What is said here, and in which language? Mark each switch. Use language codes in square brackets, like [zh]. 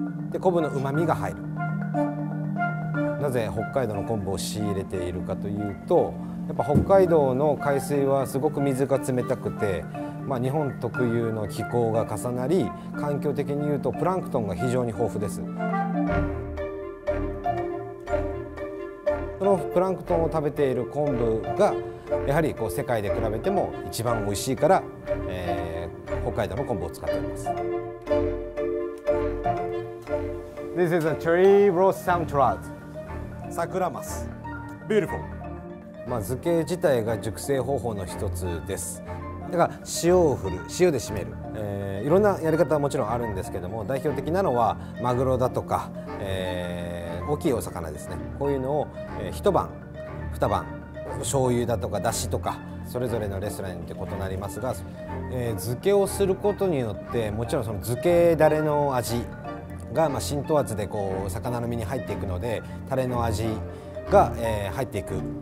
[ja] で、昆布の旨味が入る。なぜ北海道の昆布を仕入れているかというと、やっぱ北海道の海水はすごく水が冷たくて、日本特有の気候が重なり、環境的に言うとプランクトンが非常に豊富です。そのプランクトンを食べている昆布がやはりこう世界で比べても一番美味しいから、北海道の昆布を使っております。 [en] This is a cherry blossom trout、サクラマス。ビューティフォー。 [ja] 漬け自体が熟成方法の一つです。だから塩を振る、塩で締める、いろんなやり方はもちろんあるんですけども、代表的なのはマグロだとか、大きいお魚ですね、こういうのを、一晩二晩、醤油だとかだしとか、それぞれのレストランで異なりますが、漬けをすることによって、もちろんその漬けだれの味が浸透圧でこう魚の身に入っていくので、タレの味が入っていく